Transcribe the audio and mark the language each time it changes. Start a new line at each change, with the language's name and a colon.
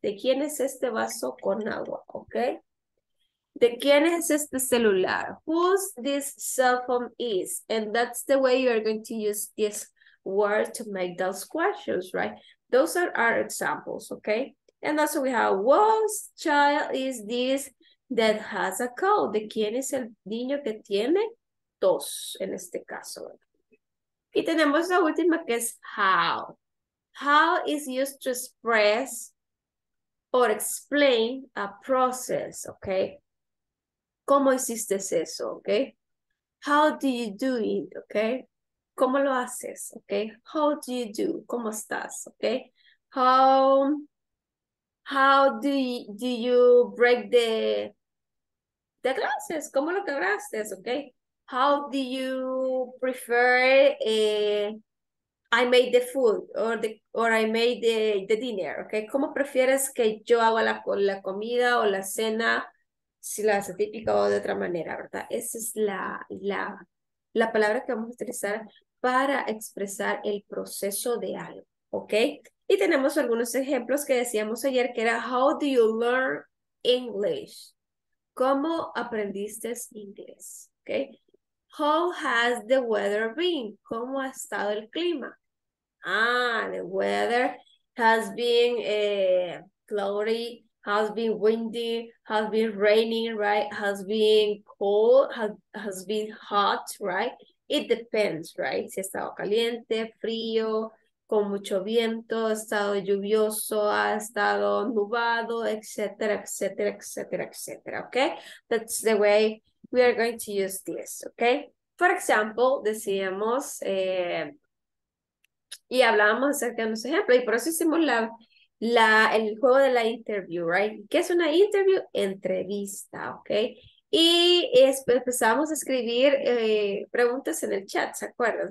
Spanish: ¿De quién es este vaso con agua? ¿Okay? ¿De quién es este celular?
English: Whose this cell phone is? And that's the way you are going to use this word to make those questions, right? Those are our examples, okay? And also we have, whose child is this that has a cold?
Spanish: ¿De quién es el niño que tiene tos en este caso? Y tenemos la última que es how.
English: How is used to express or explain a process, okay?
Spanish: ¿Cómo hiciste eso,
English: okay? How do you do it, okay?
Spanish: ¿Cómo lo haces, okay?
English: How do you do?
Spanish: ¿Cómo estás, okay?
English: How do you break the glasses?
Spanish: ¿Cómo lo quebraste, okay?
English: How do you prefer I made the food or I made the dinner, okay?
Spanish: ¿Cómo prefieres que yo haga la comida o la cena? Si la hace típica o de otra manera, ¿verdad? Esa es la palabra que vamos a utilizar para expresar el proceso de algo, ¿ok? Y tenemos algunos ejemplos que decíamos ayer, que era
English: How do you learn English?
Spanish: ¿Cómo aprendiste inglés?
English: ¿Ok? How has the weather been?
Spanish: ¿Cómo ha estado el clima?
English: Ah, the weather has been cloudy, has been windy, has been raining, right? Has been cold, has been hot, right? It depends, right?
Spanish: Si ha estado caliente, frío, con mucho viento, ha estado lluvioso, ha estado nublado, etcétera, etcétera, etcétera, etcétera, okay?
English: That's the way we are going to use this, okay? For example,
Spanish: decíamos, y hablábamos acerca de unos ejemplos, y por eso hicimos el juego de la interview, right? ¿Qué es una interview? Entrevista, ¿ok? Y empezamos a escribir preguntas en el chat, ¿se acuerdan?